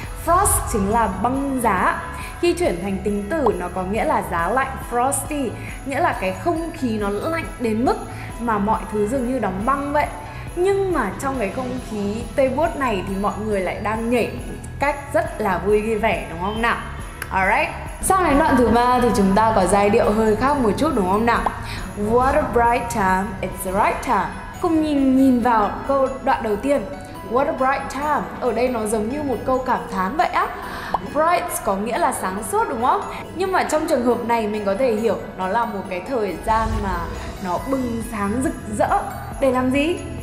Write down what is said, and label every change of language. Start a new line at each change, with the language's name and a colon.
Vietnamese: Frost chính là băng giá. Khi chuyển thành tính từ nó có nghĩa là giá lạnh, frosty, nghĩa là cái không khí nó lạnh đến mức mà mọi thứ dường như đóng băng vậy. Nhưng mà trong cái không khí tê buốt này thì mọi người lại đang nhảy cách rất là vui vẻ, đúng không nào? Alright. Sang đến đoạn thứ 3 thì chúng ta có giai điệu hơi khác một chút, đúng không nào?
English: What a bright time, it's the right time.
Vietnamese: Cùng nhìn vào câu đoạn đầu tiên.
English: What a bright time.
Vietnamese: Ở đây nó giống như một câu cảm thán vậy á. Bright có nghĩa là sáng suốt, đúng không? Nhưng mà trong trường hợp này mình có thể hiểu nó là một cái thời gian mà nó bừng sáng rực rỡ. Để làm gì?